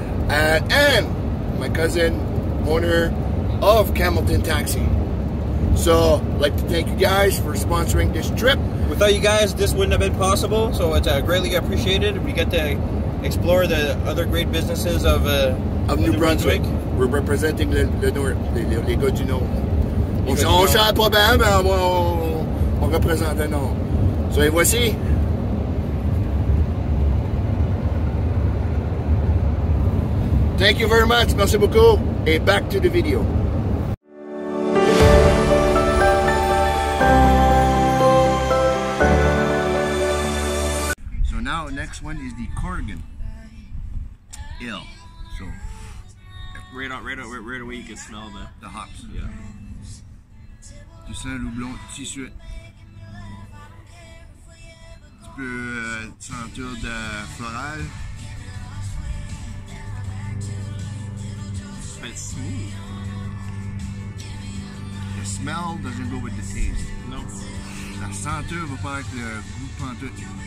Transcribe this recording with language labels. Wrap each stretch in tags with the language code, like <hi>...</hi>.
<en>And my cousin, owner of Camelton Taxi. So, I'd like to thank you guys for sponsoring this trip. Without you guys, this wouldn't have been possible. So, it's greatly appreciated. We get to explore the other great businesses of New Brunswick. We're representing the North,</en> <fr>les gars du Nord. On chante pas bien, mais on représente le Nord. So, et voici.</fr> <en>Thank you very much.</en> <fr>Merci beaucoup.</fr> <en>And back to the video. So now, next one is the Corrigan. Ill. So, right away you can smell the hops. Yeah.</en> <fr>Tu sens le houblon tout de suite. Tu peux sentir de floral.</fr> <en>It's smooth. The smell doesn't go with the taste. No.</en> <fr>La senteur va pas avec le goût pantoute.</fr>